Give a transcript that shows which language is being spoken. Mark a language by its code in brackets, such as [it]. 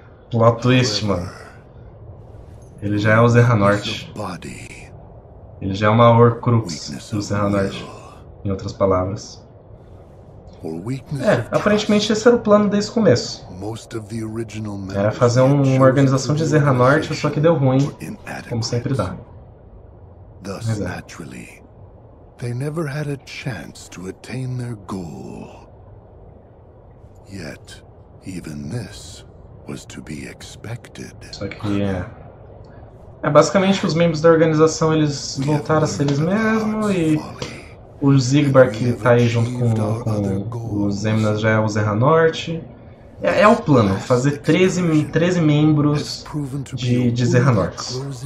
[pt] Plot twist, mano. Ele já é o Zehanort. Ele já é uma Horcrux do Zehanort. Em outras palavras. É, aparentemente esse era o plano desde o começo. Era fazer uma organização de Zehanort, só que deu ruim. Como sempre dá. [en] Thus, naturally, they never had a chance to attain their goal. Yet, even this was to be expected. [pt] Só que é basicamente os membros da organização, eles voltaram a ser eles mesmos, e o Zygbar que está aí junto com os Zemnas já é o Zehanort. É o plano, fazer 13 membros de Zehanorts.